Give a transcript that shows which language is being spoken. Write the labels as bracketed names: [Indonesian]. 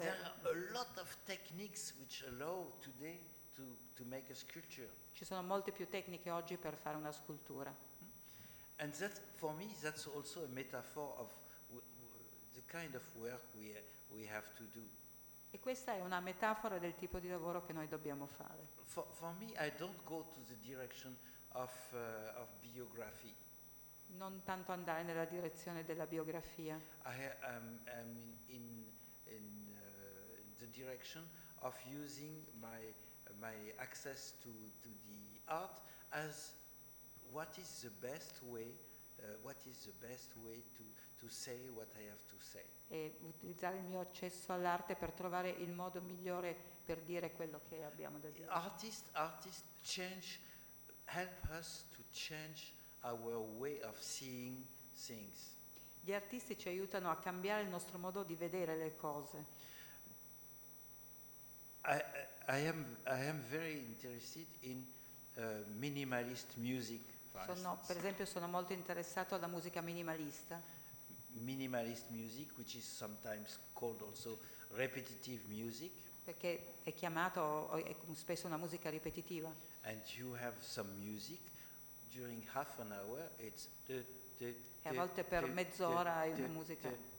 [English] There are a lot of techniques which allow today to make a sculpture. [Italian] Ci sono molte più tecniche oggi per fare una scultura. [English] And that, for me, that's also a metaphor of the kind of work we have to do. [Italian] E questa è una metafora del tipo di lavoro che noi dobbiamo fare. [English] For me, I don't go to the direction of biography. [Italian] Non tanto andare nella direzione della biografia. [English] I'm in the direction of using my access to the art as what is the best way? What is the best way to say what I have to say? [Italian] E utilizzare il mio accesso all'arte per trovare il modo migliore per dire quello che abbiamo da dire. [English] Artists change, help us to change our way of seeing things. [Italian] Gli artisti ci aiutano a cambiare il nostro modo di vedere le cose. [English] I am very interested in minimalist music. [Italian] Sono, per esempio, sono molto interessato alla musica minimalista. [English] Minimalist music, which is sometimes called also repetitive music. [Italian] Perché è chiamato è spesso una musica ripetitiva. [English] And you have some music during half an hour. It's [Italian] e a volte per mezz'ora hai una musica.